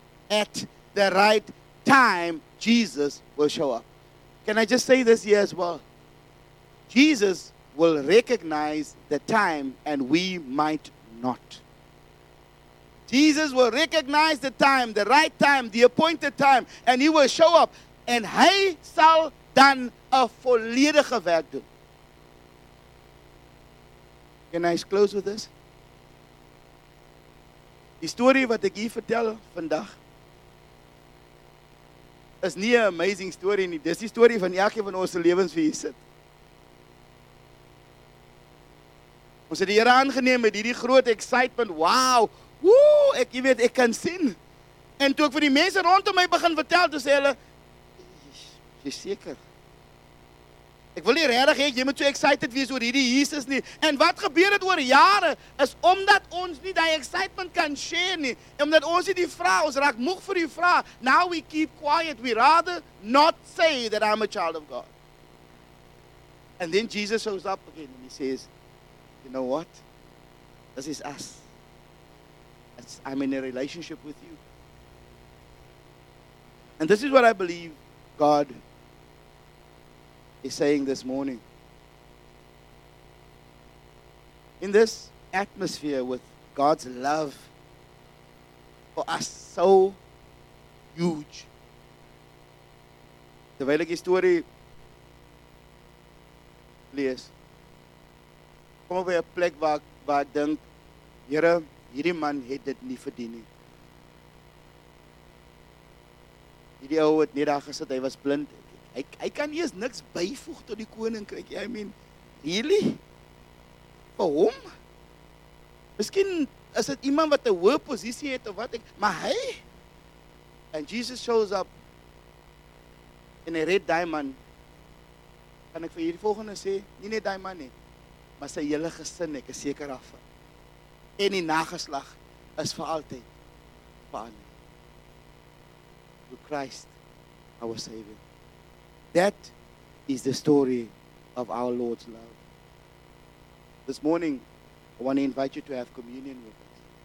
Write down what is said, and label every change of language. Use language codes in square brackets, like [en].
[en] At the right time, Jesus will show up. Can I just say this here as well? Jesus will recognize the time and we might not. Jesus will recognize the time, the right time, the appointed time, and he will show up. [af] En hy sal dan 'n volledige werk doen. [en] Can I close with this? [af] Die storie wat ek hier vertel vandag is nie 'n [en] amazing story [af] nie. Dis die storie van elkeen van ons se lewens wie hier sit. Ons het die Here aangeneem met hierdie groot excitement. Wow! Woo! Ek weet, ek kan sien. En toe ek vir die mense rondom my begin vertel, toe sê hulle, jy seker. Ek wil nie regtig hê jy moet so excited wees oor hierdie Jesus nie. En wat gebeur het oor jare is omdat ons nie daai excitement kan share nie. En omdat ons nie die vraag, ons raak moeg vir die vraag. [en] Now we keep quiet. We rather not say that I'm a child of God. And then Jesus shows up again and he says, you know what? This is us. I'm in a relationship with you. And this is what I believe God is saying this morning. In this atmosphere with God's love for us so huge. [af] Terwyl ek die story lees, kom op 'n plek waar ek dink, Here, hierdie man het dit nie verdien nie. Hierdie ou het net daar gesit, hy was blind. Hy kan nie eens niks byvoeg tot die koninkryk. [en] I mean, really? [af] Vir hom? Miskien is dit iemand wat 'n hoë posisie het of wat ek, maar hy? [en] And Jesus shows up in a red diamond. [af] Kan ek vir hierdie volgende sê, nie net daai man nie, maar sy hele gesin, ek is seker af. En die nageslag is vir altyd verander. [en] Through Christ, our Savior. That is the story of our Lord's love. This morning, I want to invite you to have communion with us.